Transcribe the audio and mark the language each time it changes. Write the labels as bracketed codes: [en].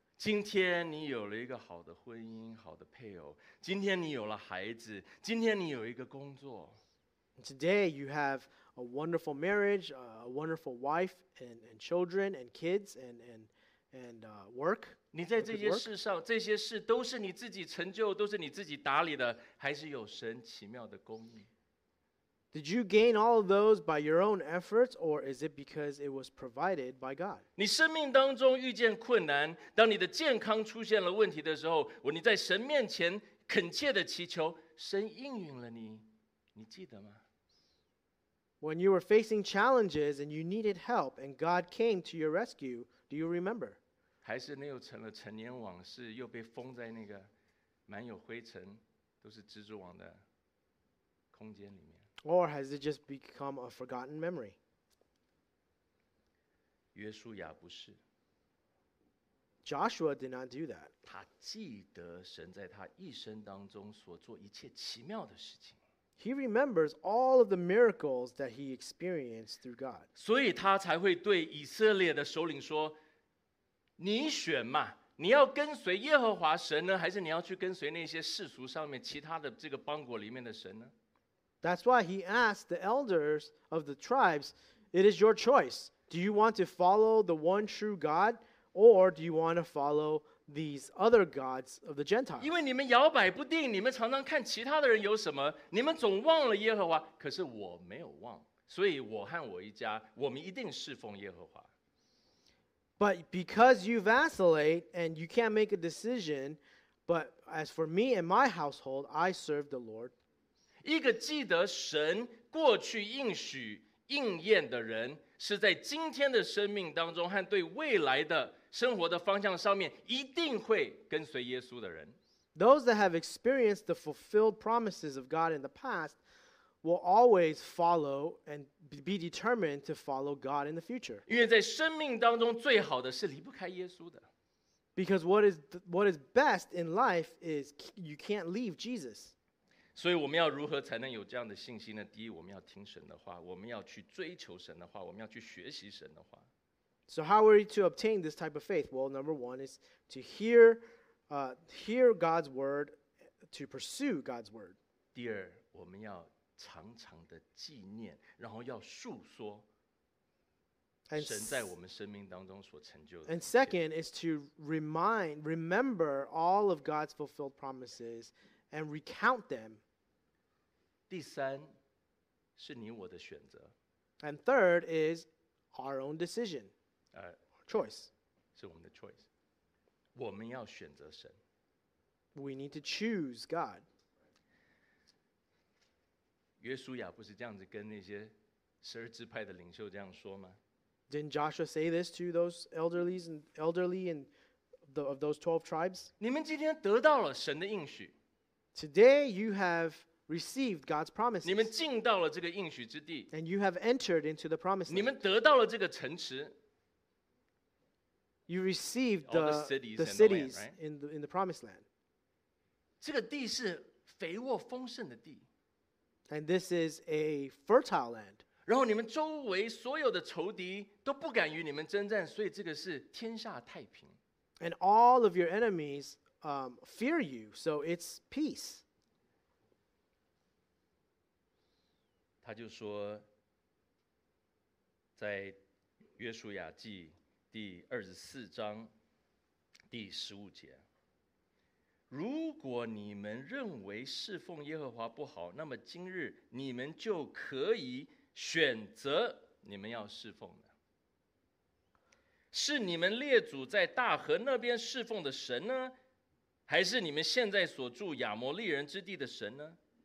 [zh] 今天你有了一个好的婚姻，好的配偶。今天你有了孩子，今天你有一个工作。 [en] Today you have a wonderful marriage, a wonderful wife and children and kids and work. [zh] 你在这些事上，这些事都是你自己成就，都是你自己打理的，还是有神奇妙的供应？ [en] Did you gain all of those by your own efforts, or is it because it was provided by God? [zh] 你生命当中遇见困难，当你的健康出现了问题的时候，我你在神面前恳切的祈求，神应允了你，你记得吗？ [en] When you were facing challenges and you needed help and God came to your rescue, do you remember? [zh] 还是那又成了陈年往事，又被封在那个满有灰尘，都是蜘蛛网的空间里面。 [en] Or has it just become a forgotten memory? [zh] 约书亚不是。 [en] Joshua did not do that. [zh] 他记得神在他一生当中所做一切奇妙的事情。 [en] He remembers all of the miracles that he experienced through God. [zh] 所以他才会对以色列的首领说，你选嘛，你要跟随耶和华神呢，还是你要去跟随那些世俗上面其他的这个邦国里面的神呢？ [en] That's why he asked the elders of the tribes, it is your choice. Do you want to follow the one true God, or do you want to follow these other gods of the Gentiles? [zh] 因为你们摇摆不定，你们常常看其他的人有什么，你们总忘了耶和华。可是我没有忘，所以我和我一家，我们一定侍奉耶和华。 [en] But because you vacillate and you can't make a decision, but as for me and my household, I serve the Lord. [zh] 一个记得神过去应许应验的人，是在今天的生命当中和对未来的生活的方向上面一定会跟随耶稣的人。 [en] Those that have experienced the fulfilled promises of God in the past will always follow and be determined to follow God in the future. [zh] 因为在生命当中最好的是离不开耶稣的。 [en] Because what is best in life is you can't leave Jesus. [zh] 所以我们要如何才能有这样的信心呢？第一，我们要听神的话，我们要去追求神的话，我们要去学习神的话。 [en] So how are you to obtain this type of faith? Well, number one is to hear God's word, to pursue God's word. [zh] 第二，我们要常常的纪念，然后要述说神在我们生命当中所成就的。 [en] And second is to remember all of God's fulfilled promises and recount them. [zh] 第三，是你我的选择。 [en] And third is our own decision. Choice. [zh] 是我们的 choice. 我们要选择神。 [en] We need to choose God. [zh] 约书亚不是这样子跟那些十二支派的领袖这样说吗？ [en] Didn't Joshua say this to those elderly of those 12 tribes? [zh] 你们今天得到了神的应许。 [en] Today you have received God's promises. [zh] 你们进到了这个应许之地。 [en] And you have entered into the promise land. [zh] 你们得到了这个城池。 [en] You received the cities in the promised land. [zh] 这个地是肥沃丰盛的地。 [en] And this is a fertile land. [zh] 然后你们周围所有的仇敌都不敢与你们征战，所以这个是天下太平。 [en] And all of your enemies, fear you, so it's peace. [zh] 他就说，在约书亚记第二十四章第十五节，如果你们认为侍奉耶和华不好，那么今日你们就可以选择你们要侍奉的，是你们列祖在大河那边侍奐的神呢，还是你们现在所住亚摩利人之地的神呢？